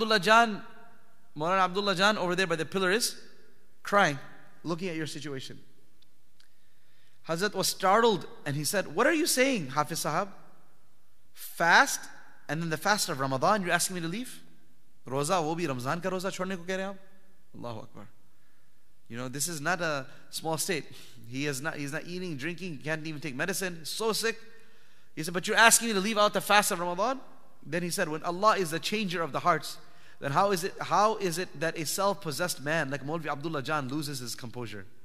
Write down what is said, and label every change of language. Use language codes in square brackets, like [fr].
[en] Maulana Abdullah Jan over there by the pillar is crying, looking at your situation. Hazrat was startled and he said, what are you saying, Hafiz Sahab? Fast, and then the fast of Ramadan, you're asking me to leave? [ur] روزہ، وہ بھی رمضان کا روزہ چھوڑنے کو کہہ رہے ہو؟ [ar] Allahu Akbar. [en] You know, this is not a small state. He's not eating, drinking, he can't even take medicine, so sick. He said, but you're asking me to leave out the fast of Ramadan? Then he said, when Allah is the changer of the hearts, then how is it that a self-possessed man like Maulvi Abdullah Jan loses his composure?